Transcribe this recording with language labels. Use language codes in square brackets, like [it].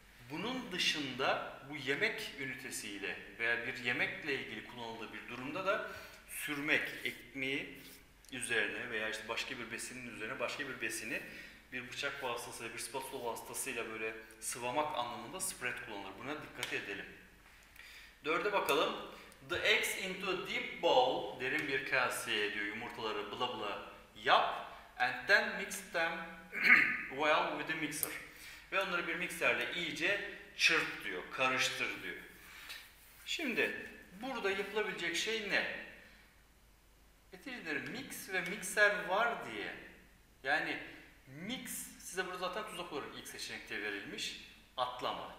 [tr] Bunun dışında bu yemek ünitesiyle veya bir yemekle ilgili kullanıldığı bir durumda da sürmek, ekmeği üzerine veya işte başka bir besinin üzerine başka bir besini bir bıçak vasıtasıyla, bir spatula vasıtasıyla böyle sıvamak anlamında spread kullanılır. Buna dikkat edelim. Dörde bakalım. [en] The eggs into a deep bowl. [tr] Derin bir kaseye diyor yumurtaları bla bla yap. [en] And then mix them well with a mixer. [tr] Ve onları bir mikserle iyice çırp diyor, karıştır diyor. Şimdi burada yapılabilecek şey ne? Mix ve mikser var diye. Yani mix size burada zaten tuzak olarak ilk seçenekte verilmiş atlama.